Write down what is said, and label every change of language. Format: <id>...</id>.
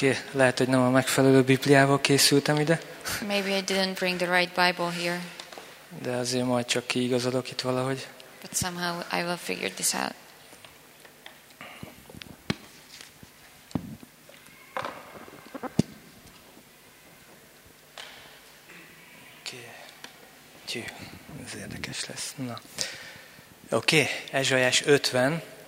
<hu>Lehet, hogy nem a megfelelő Bibliával készültem ide.</hu> <en>Maybe I didn't bring the right Bible here.</en> <hu>De azért majd csak kiigazodok itt valahogy.</hu> <en>But somehow I will figure this out.</en> <hu>Okay. Ez érdekes lesz. Na. Oké, Ézsaiás 50.</hu>